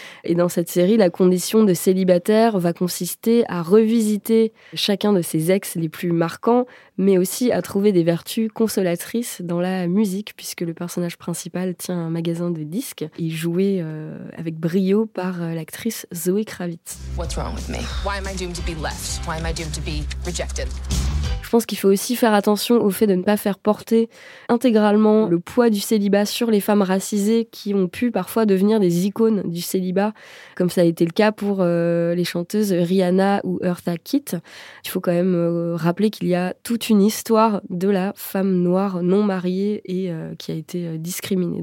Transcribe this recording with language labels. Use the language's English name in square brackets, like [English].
[French] Et dans cette série, la condition de célibataire va consister à revisiter chacun de ses ex les plus marquants, mais aussi à trouver des vertus consolatrices dans la musique, puisque le personnage principal tient un magasin de disques et joué avec brio par l'actrice Zoe Kravitz. [English] What's wrong with me? Why am I doomed to be left? Why am I doomed to be rejected? [French] Je pense qu'il faut aussi faire attention au fait de ne pas faire porter intégralement le poids du célibat sur les femmes racisées qui ont pu parfois devenir des icônes du célibat, comme ça a été le cas pour les chanteuses Rihanna ou Eartha Kitt. Il faut quand même rappeler qu'il y a toute une histoire de la femme noire non mariée et qui a été discriminée.